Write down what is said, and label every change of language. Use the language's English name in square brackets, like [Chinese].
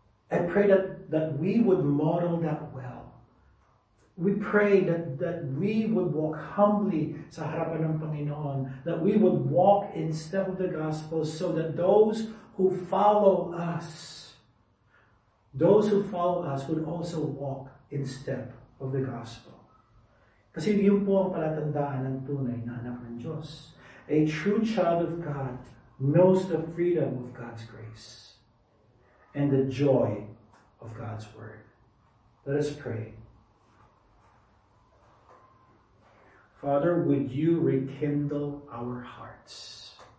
[English] I pray that we would model that well. We pray that we would walk humbly [Filipino] sa harapan ng Panginoon, [English] that we would walk in step of the gospel so that those who follow us would also walk in step of the gospel. [Filipino] Kasi yun po ang palatandaan ng tunay na anak ng Diyos. [English] A true child of God knows the freedom of God's grace and the joy of God's word. Let us pray. Father, would you rekindle our hearts?